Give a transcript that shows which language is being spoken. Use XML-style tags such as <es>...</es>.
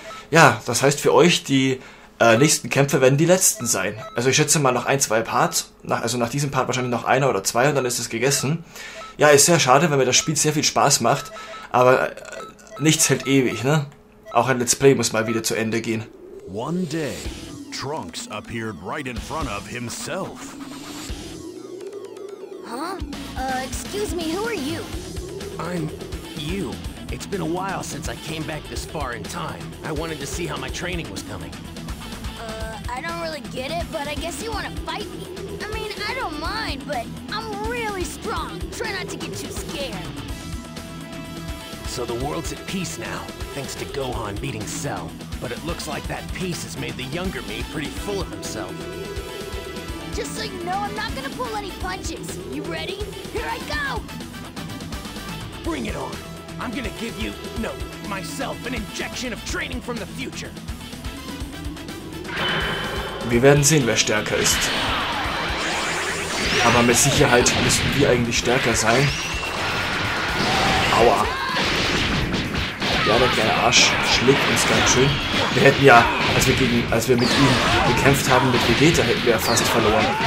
<de>Ja, das heißt für euch, die nächsten Kämpfe werden die letzten sein. Also ich schätze mal noch ein, zwei Parts. Nach diesem Part wahrscheinlich noch einer oder zwei und dann ist es gegessen. Ja, ist sehr schade, weil mir das Spiel sehr viel Spaß macht. Aber nichts hält ewig, ne? Auch ein Let's Play muss mal wieder zu Ende gehen.</de> <en>One day. Trunks appeared right in front of himself. Huh? Excuse me, who are you? I'm you. It's been a while since I came back this far in time. I wanted to see how my training was coming. I don't really get it, but I guess you want to fight me. I mean, I don't mind, but I'm really strong. Try not to get too scared. So the world's at peace now, thanks to Gohan beating Cell. But it looks like that piece has made the younger me pretty full of himself. Just so you know, I'm not gonna pull any punches. You ready? Here I go! Bring it on. I'm gonna give you, no, myself, an injection of training from the future.</en> <de>Wir werden sehen, wer stärker ist. Aber mit Sicherheit müssten wir eigentlich stärker sein. Aua. Ja, der kleine Arsch schlägt uns ganz schön. Wir hätten ja, als wir mit ihm gekämpft haben, mit Vegeta, hätten wir ja fast verloren.</de>